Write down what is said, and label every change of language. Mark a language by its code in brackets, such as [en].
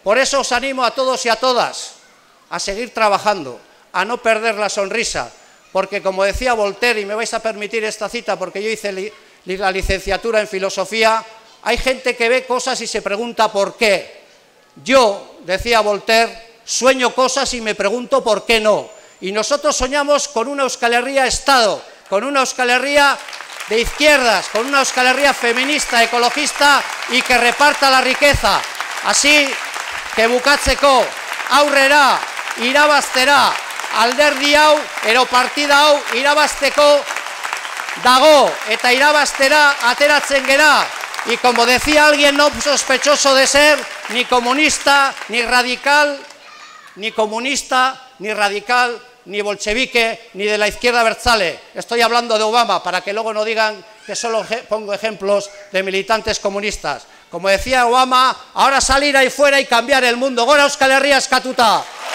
[es] Por eso os animo a todos y a todas a seguir trabajando, a no perder la sonrisa, porque como decía Voltaire, y me vais a permitir esta cita porque yo hice la licenciatura en filosofía, hay gente que ve cosas y se pregunta por qué. Yo, decía Voltaire, sueño cosas y me pregunto por qué no. Y nosotros soñamos con una Euskal Herria Estado, con una Euskal Herria de izquierdas, con una Euskal Herria feminista, ecologista y que reparta la riqueza. Así que [eu] bukatzeko, aurrera, irabaztera, alderdi hau, ero partida hau, irabazteko dago, eta irabaztera ateratzen gera. [es] Y como decía alguien no sospechoso de ser ni comunista, ni radical, ni comunista, ni radical, ni bolchevique, ni de la izquierda abertzale. Estoy hablando de Obama, para que luego no digan que solo pongo ejemplos de militantes comunistas. Como decía Obama, ahora salir ahí fuera y cambiar el mundo. [eu] ¡Gora Euskal Herria eskatuta!